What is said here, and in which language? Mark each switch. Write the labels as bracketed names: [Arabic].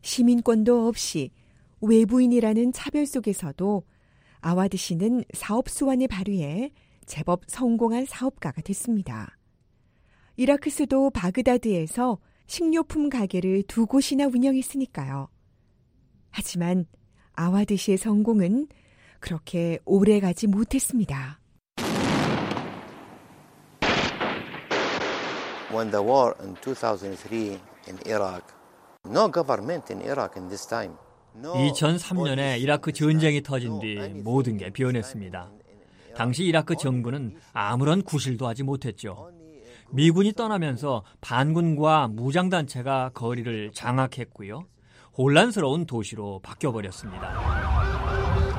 [Korean] 시민권도 없이 외부인이라는 차별 속에서도 아와드 씨는 사업 수완을 발휘해 제법 성공한 사업가가 됐습니다. 이라크 수도 바그다드에서 식료품 가게를 두 곳이나 운영했으니까요. 하지만 아와드 씨의 성공은 그렇게 오래가지 못했습니다. [English] When the war in 2003 in Iraq, no government in Iraq in this time. [Korean] 2003년에 이라크 전쟁이 터진 뒤 모든 게 변했습니다. 당시 이라크 정부는 아무런 구실도 하지 못했죠. 미군이 떠나면서 반군과 무장단체가 거리를 장악했고요. 혼란스러운 도시로 바뀌어버렸습니다.